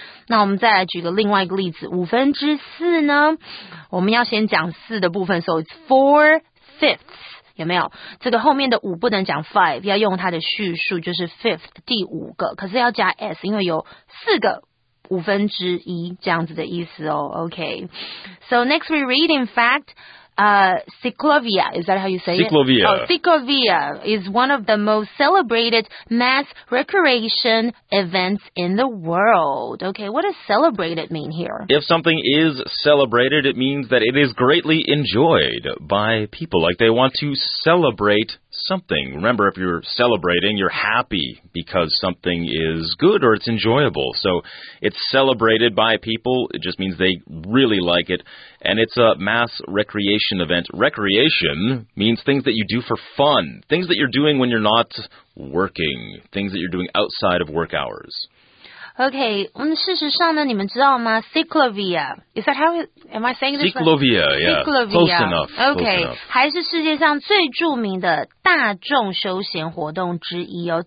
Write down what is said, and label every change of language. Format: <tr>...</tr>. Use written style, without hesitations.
<zh>那我们再来举个另外一个例子，五分之四呢，我们要先讲四的部分，</zh> <en>so it's 4/5。</en> <zh>有没有这个后面的五不能讲 five， 要用它的序数，就是 fifth， 第五个，可是要加 s， 因为有四个五分之一这样子的意思哦。</zh> <en>OK， so next we read in fact Ciclovia, is that how you say Ciclovia. It? Ciclovia is one of the most celebrated mass recreation events in the world. Okay, what does celebrated mean here? If something is celebrated, it means that it is greatly enjoyed by people. Like they want to celebrate something. Remember, if you're celebrating, you're happy because something is good or it's enjoyable. So it's celebrated by people. It just means they really like it. And it's a mass recreation event. Recreation means things that you do for fun, things that you're doing when you're not working, things that you're doing outside of work hours.</en> <zh>Okay, 事实上呢，你们知道吗？</zh> <en>Ciclovia, is that how, am I saying this? Ciclovia, yeah. Ciclovia. Close enough.</en> <zh>Okay, 还是世界上最著名的大众休闲活动之一哦。</zh>